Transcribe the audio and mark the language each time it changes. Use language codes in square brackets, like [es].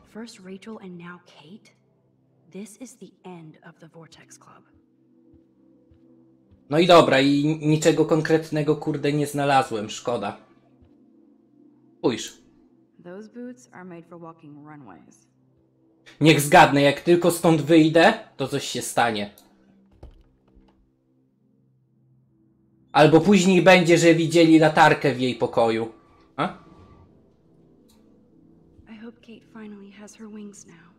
[en] First Rachel and now Kate? This is the end of the Vortex Club. [pl] No i dobra, i niczego konkretnego kurde nie znalazłem, szkoda. Spójrz. [en] Those boots are made for walking runways. [pl] Niech zgadnę, jak tylko stąd wyjdę, to coś się stanie. Albo później będzie, że widzieli latarkę w jej pokoju. A? [en] I hope Kate finally has her wings now.